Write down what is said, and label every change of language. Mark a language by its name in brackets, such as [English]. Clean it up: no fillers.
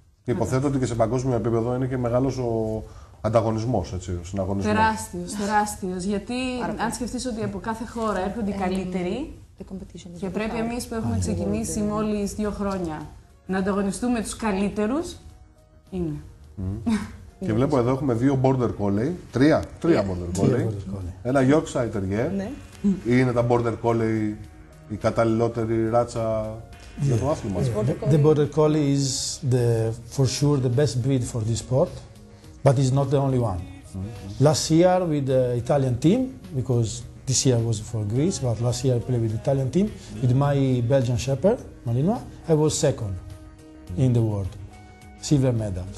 [Greek] Υποθέτω ότι και σε παγκόσμιο επίπεδο είναι και μεγάλος ο ανταγωνισμός, έτσι, ο συναγωνισμός. Τεράστιος, τεράστιος. Γιατί αν σκεφτείς ότι από κάθε χώρα έρχονται οι καλύτεροι και πρέπει εμείς που έχουμε ξεκινήσει μόλις 2 χρόνια να ανταγωνιστούμε τους καλύτερους, είναι. Και βλέπω εδώ έχουμε δύο border collie. Τρία border collie. Ένα Yorkshire Terrier. Ναι. Είναι τα border collie η καταλληλότερη ράτσα για το άθλημα. [English] The border collie is the, for sure the best breed for this sport, but it's not the only one. Mm-hmm. Last year with the Italian team, because this year was for Greece, but last year I played with the Italian team, with my Belgian Shepherd, Malinois, I was second in the world, silver medal.